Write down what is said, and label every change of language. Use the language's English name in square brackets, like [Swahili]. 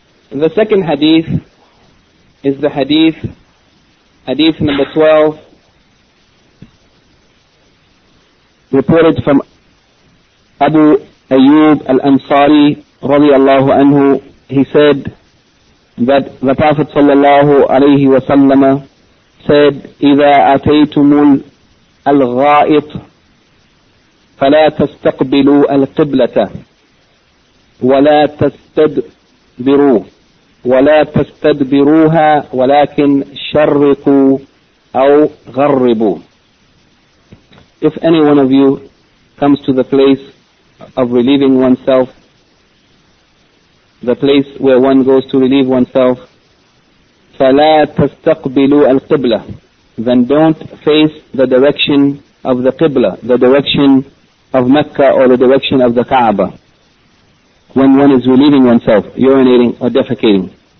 [English] The second hadith is the hadith number 12, reported from Abu Ayyub al-Ansari radiallahu anhu. He said that the Prophet sallallahu alayhi wa sallam said, [Arabic] إِذَا أَتَيْتُمُ الْغَائِطِ فَلَا تَسْتَقْبِلُوا الْقِبْلَةَ وَلَا تَسْتَدْبِرُوا وَلَا تَسْتَدْبِرُوهَا وَلَكِنْ شَرِّقُوا أَوْ غَرِّبُوا. [English] If any one of you comes to the place of relieving oneself, the place where one goes to relieve oneself, [Arabic] فَلَا تَسْتَقْبِلُوا الْقِبْلَةَ, [English] then don't face the direction of the Qibla, the direction of Mecca or the direction of the Kaaba, when one is relieving oneself, urinating or defecating.